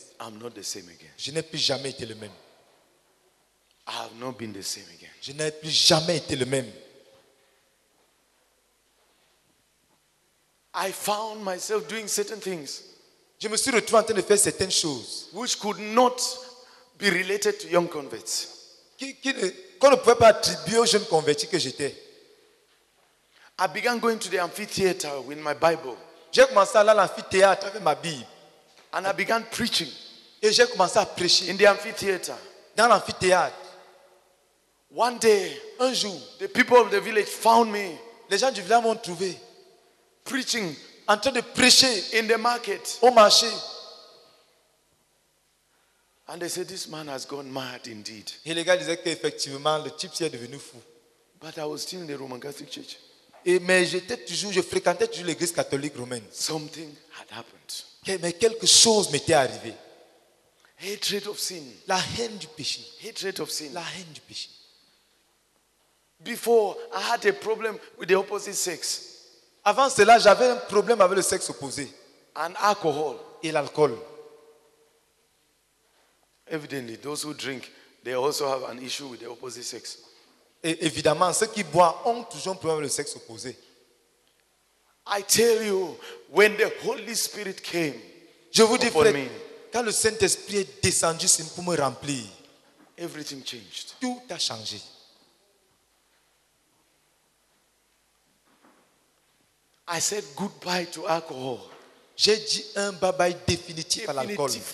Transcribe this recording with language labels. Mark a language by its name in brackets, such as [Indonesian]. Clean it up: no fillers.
[English] I'm not the same again. [French] Je n'ai plus jamais été le même. [English] I have not been the same again. [French] Je n'ai plus jamais été le même. [English] I found myself doing certain things. [French] Je me suis retrouvé en train de faire certaines choses. [English] Which could not be related to young converts. [French] Qu'on ne pouvait pas attribuer aux jeunes convertis que j'étais. [English] I began going to the amphitheater with my Bible. [French] J'ai commencé à aller à l'amphithéâtre avec ma Bible. [English] And I began preaching. [French] Et j'ai commencé à prêcher. [English] In the amphitheater. [French] Dans l'amphithéâtre. [English] One day, [French] un jour, [English] the people of the village found me. [French] Les gens du village m'ont trouvé. [English] Preaching. [French] En train de prêcher [English] in the market. [French] Au marché. [English] And they said, this man has gone mad indeed. [French] Et les gars disaient qu'effectivement, le type est devenu fou. [English] But I was still in the Roman Catholic Church. [French] Mais je fréquentais toujours l'église catholique romaine. [English] Something had happened. [French] Mais quelque chose m'était arrivé. [English] Hatred of sin. [French] La haine du péché. [English] Hatred of sin. [French] La haine du péché. [English] Before, I had a problem with the opposite sex. [French] Avant cela, j'avais un problème avec le sexe opposé. [English] And alcohol. [French] Et l'alcool. [English] Evidently, those who drink, they also have an issue with the opposite sex. [French] Et évidemment, ceux qui boivent ont toujours un problème avec le sexe opposé. [English] I tell you, when the Holy Spirit came, [French] je vous dis, frère, quand le Saint-Esprit est descendu pour me remplir, [English] everything changed. [French] Tout a changé. [English] I said goodbye to alcohol. [French] J'ai dit un bye bye définitif à l'alcool.